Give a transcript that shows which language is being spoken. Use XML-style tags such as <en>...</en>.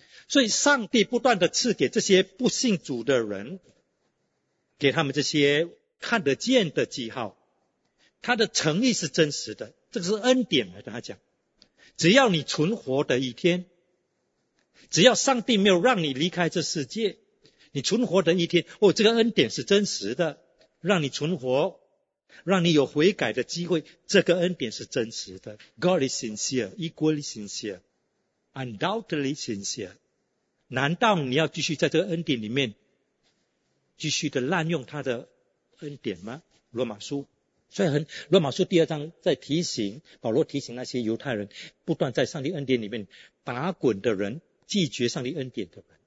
<zh>所以上帝不断的赐给这些不信主的人，给他们这些看得见的记号，他的诚意是真实的，这个是恩典来的。他讲，只要你存活的一天，只要上帝没有让你离开这世界，你存活的一天，哦，这个恩典是真实的，让你存活，让你有悔改的机会，这个恩典是真实的。</zh> <en>God is sincere, equally sincere, undoubtedly sincere.</en> <zh>难道你要继续在这个恩典里面继续的滥用他的恩典吗？罗马书，所以罗马书第二章在提醒保罗，提醒那些犹太人不断在上帝恩典里面打滚的人，拒绝上帝恩典的人。</zh>